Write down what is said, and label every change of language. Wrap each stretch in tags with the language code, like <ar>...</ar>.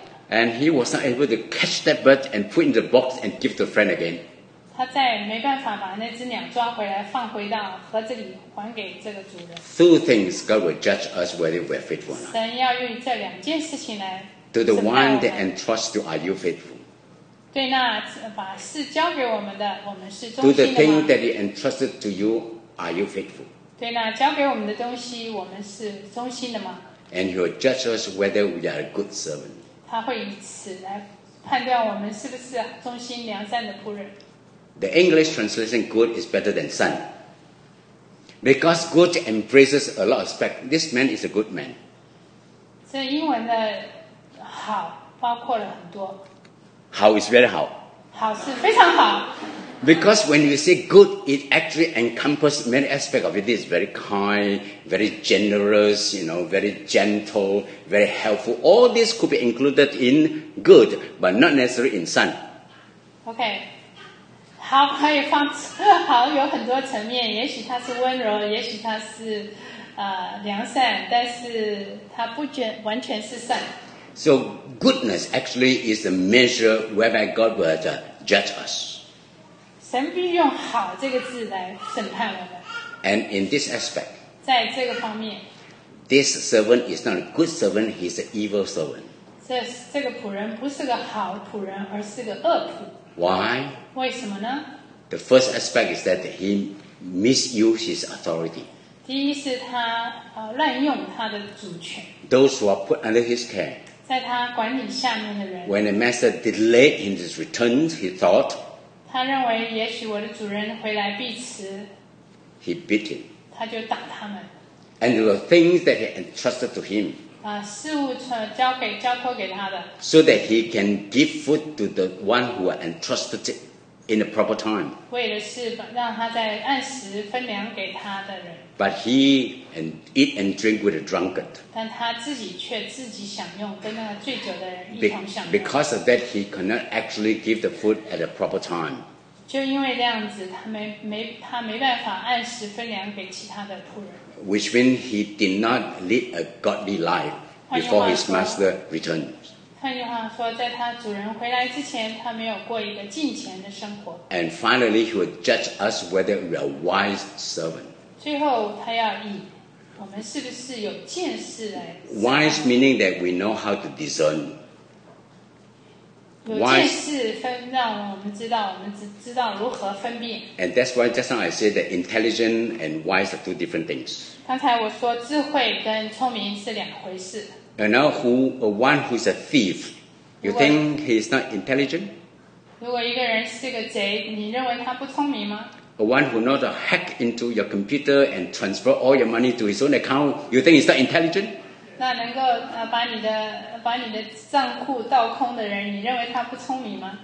<en>And he was not able to catch that bird and put in the box and give to a friend again.</en> <zh>他再也没办法把那只鸟抓回来，放回到盒子里，还给这个主人。</zh> <en>Two things God will judge us whether we are faithful or not.</en> <zh>神要用这两件事情来审判我</zh> <en>To the one that entrusts you, are you faithful?</en> <zh>对那把事交给我们的，我们是忠心的吗?</zh> <en>To the thing that he entrusted to you, are you faithful?</en> <zh>对那交给我们的东西，我们是忠心的吗?</zh> <en>And he will judge us whether we are a good servant.</en> <zh>他会以此来判断我们是不是忠心良善的仆人。</zh> <en>The English translation good is better than son. Because good embraces a lot of aspects. This man is a good man.</en> <zh>这英文的好包括了很多。</zh> <en>好 is very 好。</en> <zh>好是非常好。</zh> <en>Because when you say good, it actually encompasses many aspects of it. It's very kind, very generous, you know, very gentle, very helpful. All this could be included in good, but not necessarily in son. Okay.</en> <zh>好可以放好有很多层面，也许它是温柔，也许它是良善，但是它不完全是善。</zh> <en>So goodness actually is the measure whereby God will judge us.</en> <zh>神必用好这个字来审判我们。</zh> <en>And in this aspect,</en> <zh>在这个方面，</zh> <en>this servant is not a good servant, he's an evil servant.</en> <zh>这个仆人不是个好仆人，而是个恶仆。</zh> <en>Why?</en> <zh>为什么呢？</zh> <en>The first aspect is that he misused his authority.</en> <zh>第一是他滥用他的主权。</zh> <en>Those who are put under his care.</en> <zh>在他管理下面的人。</zh> <en>When the master delayed in his return, he thought.</en> <zh>他认为也许我的主人回来必迟。</zh> <en>He beat him.</en> <zh>他就打他们。</zh> <en>And the things that he entrusted to him.</en> <zh>事物交托给他的。</zh> <en>So that he can give food to the one who are entrusted in the proper time.</en> <zh>为的是让他在按时分粮给他的人。</zh> <en>But he and eat and drink with a drunkard.</en> <zh>但他自己却自己享用，跟那个醉酒的人一同享用。</zh> <en>Because of that, he cannot actually give the food at the proper time.</en> <zh>就因为这样子，他没办法按时分粮给其他的仆人。</zh> <en>Which means he did not lead a godly life before his master returned.</en> <zh>换句话说，在他主人回来之前，他没有过一个敬虔的生活。</zh> <en>And finally, he will judge us whether we are wise servants.</en> <zh>最后他要以我们是不是有见识来</zh> <en>Wise meaning that we know how to discern.</en> <zh>有见识分让我们知道我们知道如何分辨。</zh> <en>And that's why just now I said that intelligent and wise are two different things.</en> <zh>刚才我说智慧跟聪明是两回事。</zh> <en>You know, one who's a thief, you think he's not intelligent?</en> <zh>如果一个人是个贼，你认为他不聪明吗？</zh> <en>One who knows to hack into your computer and transfer all your money to his own account, you think he's not intelligent?</en> <zh>那能够把你的账户倒空的人，你认为他不聪明吗？</zh>